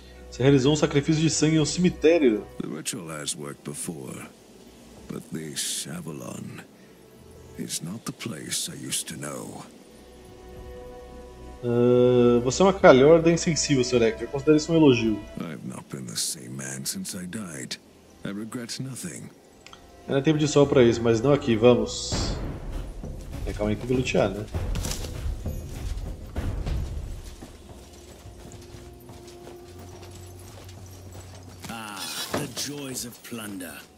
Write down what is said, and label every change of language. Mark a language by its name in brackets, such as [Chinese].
[Portuguese] Você realizou um sacrifício de sangue em um cemitério. [English] The ritual has worked before. But this Avalon is not the place I used to know. [Portuguese] Você é uma calhorda insensível, Sr. Hector. Considero isso um elogio. [English] I have not been the same man since I died. I regret nothing. [Portuguese] Era tempo de sol pra isso, mas não aqui, vamos. É, calma aí que eu vou lutear, né? [English] Ah, the joys of plunder.